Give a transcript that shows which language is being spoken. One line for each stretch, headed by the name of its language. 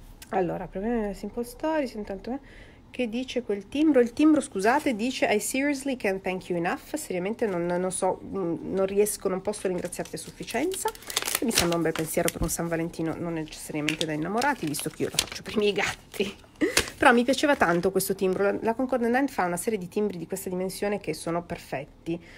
Italian: Allora, problema di Simple Stories, intanto che dice quel timbro? Il timbro, scusate, dice
English: I seriously can't thank you enough.
Italian: Seriamente non so, non riesco, non posso ringraziarti a sufficienza. Mi sembra un bel pensiero per un San Valentino non necessariamente da innamorati, visto che io lo faccio per i miei gatti. Però mi piaceva tanto questo timbro. La Concord & Knight fa una serie di timbri di questa dimensione che sono perfetti.